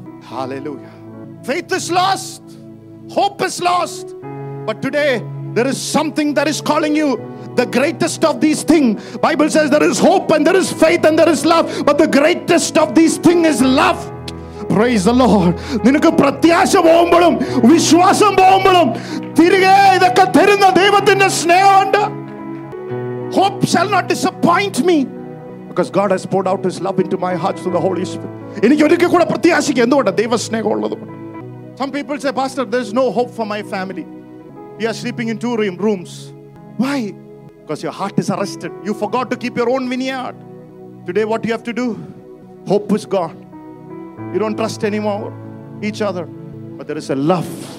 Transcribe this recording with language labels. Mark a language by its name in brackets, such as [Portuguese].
[English] Hallelujah. Faith is lost. Hope is lost. But today, there is something that is calling you. The greatest of these things. Bible says there is hope and there is faith and there is love. But the greatest of these things is love. Praise the Lord. [Malayalam] നിനക്ക് പ്രത്യാശ പോകുമ്പോഴും വിശ്വാസം പോകുമ്പോഴും തിരികെ ഇതൊക്കെ തരുന്ന ദൈവത്തിന്റെ സ്നേഹമുണ്ട്. [English] Hope shall not disappoint me because God has poured out his love into my heart through the Holy Spirit. [Malayalam] എനിക്ക് ഒരിക്കലും കൂടെ പ്രത്യാശിക്ക എന്തുകൊണ്ട് ദൈവ സ്നേഹമുള്ളതുകൊണ്ട്. [English] Some people say, Pastor, there is no hope for my family. We are sleeping in two rooms. Why? Because your heart is arrested. You forgot to keep your own vineyard. Today what you have to do? Hope is gone. You don't trust anymore each other, but there is a love.